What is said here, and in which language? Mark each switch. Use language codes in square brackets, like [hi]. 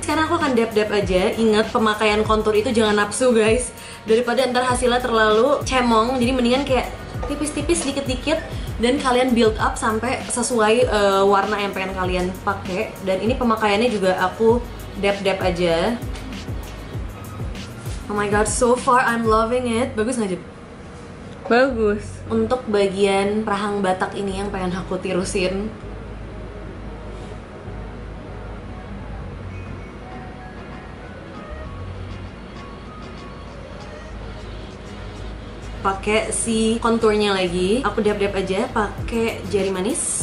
[id] Sekarang aku akan dab-dab aja. Ingat, pemakaian kontur itu jangan nafsu, guys. Daripada ntar hasilnya terlalu cemong, jadi mendingan kayak tipis-tipis, dikit-dikit, dan kalian build up sampai sesuai warna yang pengen kalian pakai. Dan ini pemakaiannya juga aku dab-dab aja. [en] Oh my god, so far I'm loving it. [id] Bagus gak, Jep? Bagus. Untuk bagian rahang batak ini yang pengen aku tirusin. Pakai si konturnya lagi, aku dab-dab aja pakai jari manis.